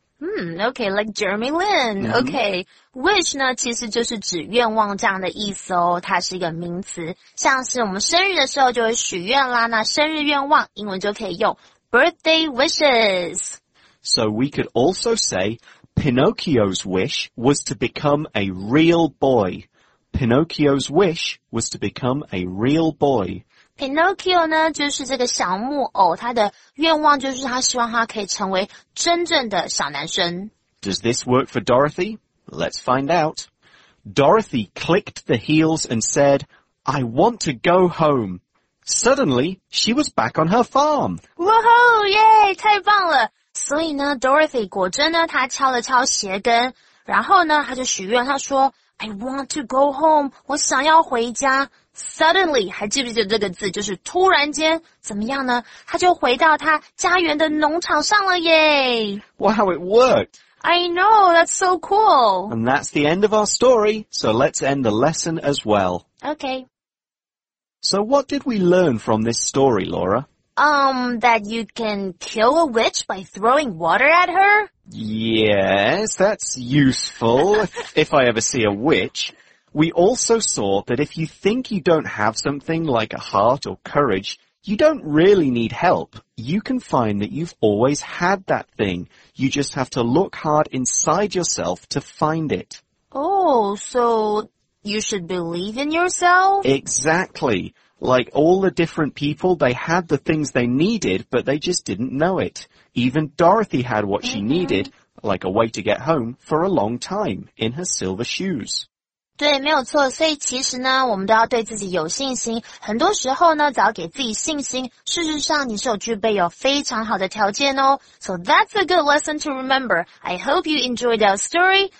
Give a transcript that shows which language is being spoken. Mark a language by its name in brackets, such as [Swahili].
[English] Okay, like Jeremy Lin. [Chinese] Okay, wish 呢其实就是指愿望这样的意思哦，它是一个名词。像是我们生日的时候就会许愿啦，那生日愿望英文就可以用 [English] birthday wishes. So we could also say Pinocchio's wish was to become a real boy. Pinocchio's wish was to become a real boy. [Chinese] Pinocchio 呢就是这个小木偶，他的愿望就是他希望他可以成为真正的小男生。 [English] Does this work for Dorothy? Let's find out. Dorothy clicked the heels and said, I want to go home. Suddenly, she was back on her farm. Woohoo! Yay! [Chinese] 太棒了！所以呢 ,Dorothy 果真呢他敲了敲鞋跟，然后呢他就许愿，他说 [English] I want to go home, [Chinese] 我想要回家。 Suddenly, 还记不记得这个字，就是突然间，怎么样呢？他就回到他家园的农场上了耶。 [English] Wow, it worked. I know, that's so cool. And that's the end of our story, so let's end the lesson as well. Okay. So what did we learn from this story, Laura? That you can kill a witch by throwing water at her? Yes, that's useful, if I ever see a witch. We also saw that if you think you don't have something like a heart or courage, you don't really need help. You can find that you've always had that thing. You just have to look hard inside yourself to find it. Oh, so you should believe in yourself? Exactly. Like all the different people, they had the things they needed, but they just didn't know it. Even Dorothy had what she needed, like a way to get home, for a long time in her silver shoes. [Chinese] 对，没有错，所以其实呢，我们都要对自己有信心。很多时候呢，只要给自己信心，事实上你是有具备有非常好的条件哦。 [English] So that's a good lesson to remember. I hope you enjoyed our story.